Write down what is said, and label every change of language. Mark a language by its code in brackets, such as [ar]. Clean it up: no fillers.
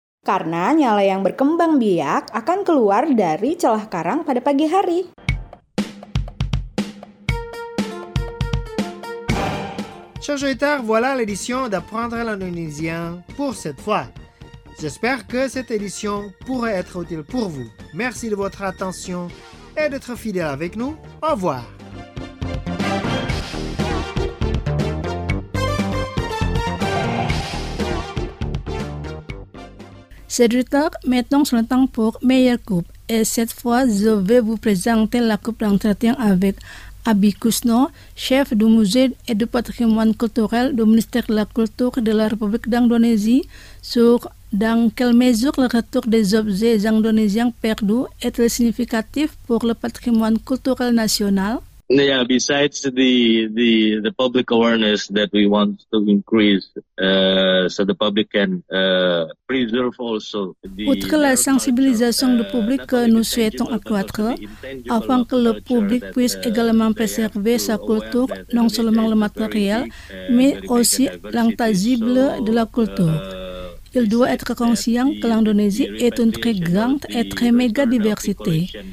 [id] Karena nyale yang berkembang biak akan keluar dari celah karang pada pagi hari. [fr] Chers auditeurs, voilà l'édition d'apprendre l'indonésien pour cette fois. J'espère que cette édition pourrait être utile pour vous. Merci de votre attention et d'être fidèle avec nous. Au revoir. C'est du temps, maintenant c'est le temps pour Meilleure Coupe. Et cette fois, je vais vous présenter la coupe d'entretien avec Abi Kusno, chef du musée et du patrimoine culturel du ministère de la Culture de la République d'Indonésie, sur dans quelle mesure le retour des objets indonésiens perdus est significatif pour le patrimoine culturel national. [en] Yeah, besides the public awareness that we want to increase, so the public can preserve also the. [fr] Outre la sensibilisation du public que nous souhaitons accroître, afin que le public puisse également préserver sa culture, non seulement le matériel, mais aussi l'intangible de la culture. Il doit être conscient que l'Indonésie est une très grande et très méga diversité.